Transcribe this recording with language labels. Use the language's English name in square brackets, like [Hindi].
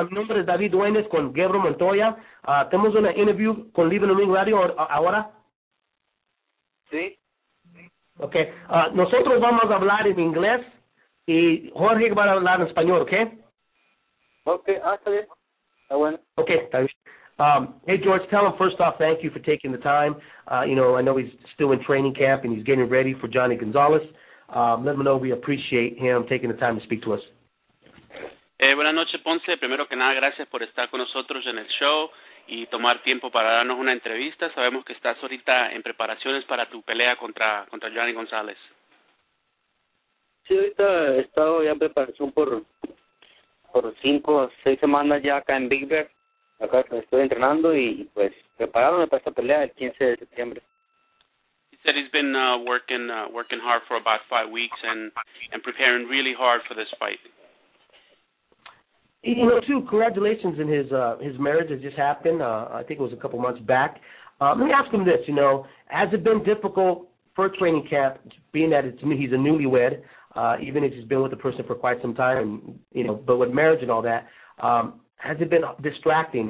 [Spanish] Mi nombre es David Duenes con Gabriel Montoya. Tenemos una interview con Leave It in the Ring Radio ahora. Sí. Ok. Nosotros vamos a hablar en inglés y Jorge va a hablar en español, ¿ok? [English] Okay, I'll tell you. Hey, George, tell him first off, thank you for taking the time. You know, I know he's still in training camp and he's getting ready for Johnny Gonzalez. Let him know we appreciate him taking the time to speak to us. [Spanish] Buenas noches, Ponce. Primero que nada, gracias por estar con nosotros en el show y tomar tiempo para darnos una entrevista. Sabemos que estás ahorita en preparaciones para tu pelea contra Johnny Gonzalez. Sí, ahorita he estado ya en preparación por 5 o 6 semanas ya acá en Big Bear. Acá estoy entrenando y pues preparándome para esta pelea el 15 de septiembre. [English] He said he's been working hard for about 5 weeks and preparing really hard for this fight. You know, too, congratulations in his marriage that just happened. I think it was a couple months back. Let me ask him this, you know, has it been difficult for training camp, being that he's a newlywed, even if he's been with the person for quite some time, you know, but with marriage and all that, has it been distracting?